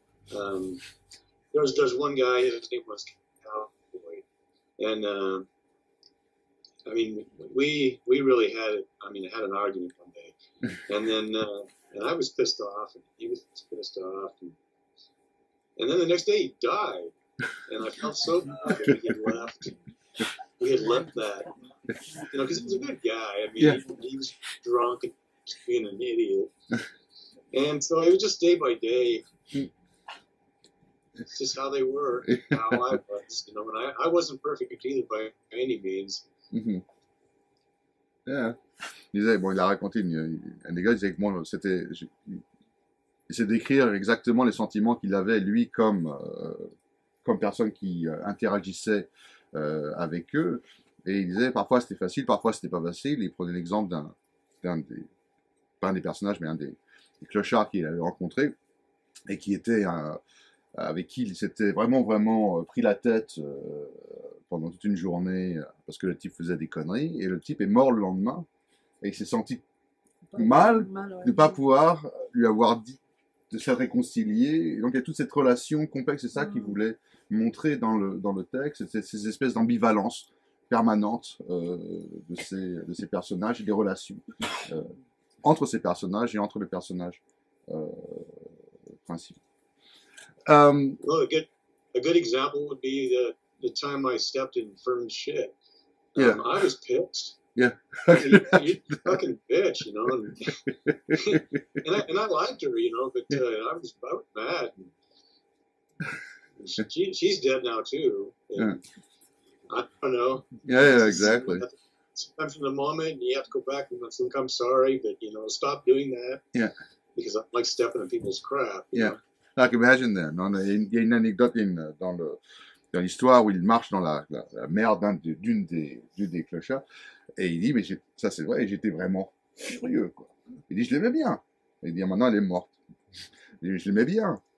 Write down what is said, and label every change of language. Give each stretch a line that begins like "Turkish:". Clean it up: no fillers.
English: There's one guy, his name was and I mean, we really had, I mean, had an argument one day, and then and I was pissed off, and he was pissed off, and then the next day he died, and I felt so bad that we had left that, you know, because he was a good guy. I mean, he was drunk and being an idiot, and so it was just day by day. It's just how they were, how I was, you know, and I wasn't perfect either by any means. Mm-hmm. Yeah.
French: Il disait, bon, il a raconté un des gars, il disait que moi, c'était. Il sait décrire exactement les sentiments qu'il avait, lui, comme personne qui interagissait avec eux. Et il disait, parfois c'était facile, parfois c'était pas facile. Il prenait l'exemple d'un des clochards qu'il avait rencontré et qui était avec qui il s'était vraiment, vraiment pris la tête pendant toute une journée parce que le type faisait des conneries. Et le type est mort le lendemain. Et il s'est senti mal de ne pas pouvoir lui avoir dit de se réconcilier. Et donc il y a toute cette relation complexe, c'est ça qu'il voulait montrer dans le texte, ces espèces d'ambivalence permanente de ces personnages et des relations entre ces personnages et entre les personnages principaux.
English: Well, a good example would be the time I stepped in firm shit. I was pissed. Yeah, you fucking bitch, you know. And I liked her, you know, but I was mad. She's dead now too. Yeah. I don't know. Yeah, exactly. Sometimes from the moment you have to go back and think, I'm sorry, but you know, stop doing that. Yeah. Because I'm like stepping on people's crap. Yeah. Like imagine that.
French: No, il y a une anecdote dans l'histoire où il marche dans la merde d'une des clochards. Et il dit, mais ça c'est vrai, j'étais vraiment furieux, quoi. Il dit, je l'aimais bien. Il dit, maintenant elle est morte. Il dit, je l'aimais bien.